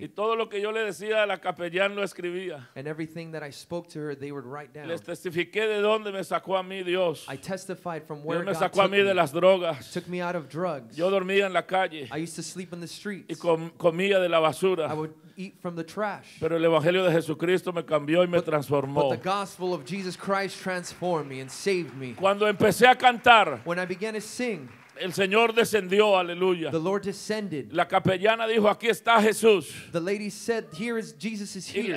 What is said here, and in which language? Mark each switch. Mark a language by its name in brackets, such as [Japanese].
[Spanish] Y todo lo que yo le decía a la capellán lo escribía. [English] And everything that I spoke to her, they would write down. [Spanish] Les testifiqué de dónde me sacó a mí Dios. [English] I testified from where [Spanish] Dios me [English] God [Spanish] sacó [English] took [Spanish] a mí de las drogas. [English] Took me out of drugs. [Spanish] Yo dormía en la calle. [English] I used to sleep in the streets. [Spanish] Y comía de la basura. [English] I would eat from the trash. [Spanish] Pero el evangelio de Jesucristo me cambió y me transformó. [English] But the gospel of Jesus Christ transformed me and saved me. [Spanish] Cuando empecé a cantar. [English] When I began to sing. [Spanish] El Señor descendió, aleluya. [English] The Lord descended. [Spanish] La capellana dijo, aquí está Jesús. [English] The lady said, here is Jesus is here.